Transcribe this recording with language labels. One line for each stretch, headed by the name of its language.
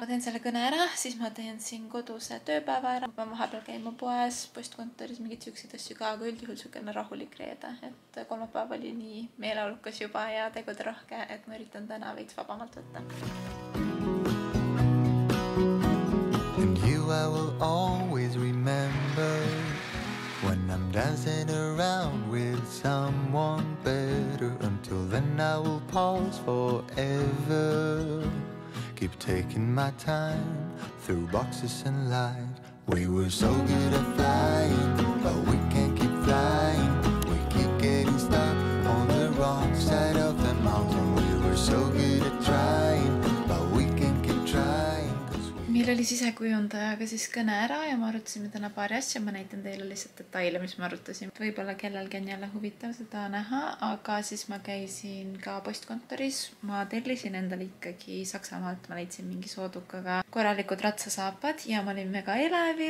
Estonian: Ma teen selle kõne ära, siis ma teen siin koduse tööpäeva ära. Ma vahepeal käin mu poes, postkontoris, mingit siuksid asju ka, aga üldjuhul sugune rahulik reede. Et kolmapäev oli nii meeleolukas juba ja tegud rohke, et ma üritan täna veits vabamalt võtta.
English: And you I will always remember when I'm dancing around with someone better. Until then I will pause forever, keep taking my time through boxes and light. We were so good at flying, but we can't keep flying. We keep getting stuck on the wrong side of the mountain. We were so good at trying, but we can't keep trying.
Estonian: Meil oli sisekujundajaga siis kõne ära ja me arutasime täna paar asja. Ma näitan teile lihtsalt detaile, mis me arutasime. Võibolla kellelgi on jälle huvitav seda näha, aga siis ma käisin ka postkontoris. Ma tellisin endale ikkagi Saksamaalt, ma leidsin mingi soodukaga korralikud ratsasaapad ja ma olin mega elevi.